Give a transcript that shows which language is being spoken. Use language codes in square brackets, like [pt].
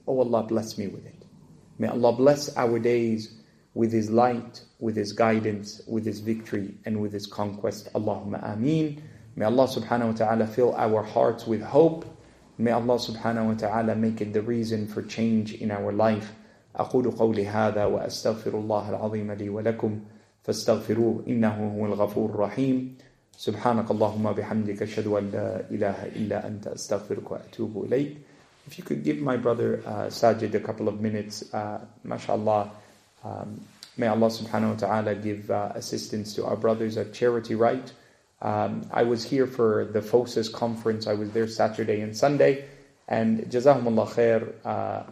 [en] O Allah, bless me with it. May Allah bless our days with His light, with His guidance, with His victory, and with His conquest. Allahumma ameen. May Allah subhanahu wa ta'ala fill our hearts with hope. May Allah subhanahu wa ta'ala make it the reason for change in our life. [ar] أقول قولي هذا وأستغفر الله العظيم لي ولكم فاستغفروه إنه هو الغفور الرحيم سبحانك اللهم بحمدك أشهد أن لا إله إلا أنت أستغفرك وأتوب إليك. [en] If you could give my brother Sajid a couple of minutes, mashallah, may Allah subhanahu wa ta'ala give assistance to our brothers at Charity Right. I was here for the FOSIS conference. I was there Saturday and Sunday, and [ar] جزاهم الله خير.